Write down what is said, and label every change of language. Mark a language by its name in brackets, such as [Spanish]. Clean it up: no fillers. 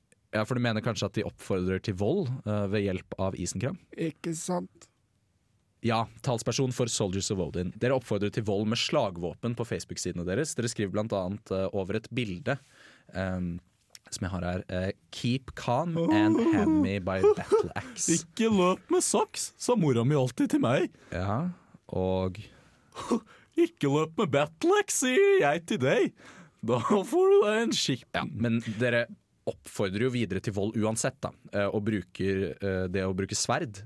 [Norwegian] Ja, for du mener kanskje at de oppfordrer til vold ved hjelp av Isenkram? Ikke sant? Ja, talsperson for Soldiers of Odin. Dere oppfordrer til vold med slagvåpen på Facebook-sidene deres. Dere skriver blant annet over et bilde som jeg har her. [English] Keep calm and hand me by battle axe. [Norwegian] Ikke løp med saks, sa mora mi alltid til meg. Ja, og... Ikke løp med battle axe, sier jeg til deg. Da får du deg en skikk. Ja, men dere oppfordrer jo videre til vold uansett da, og bruker det å bruke sverd.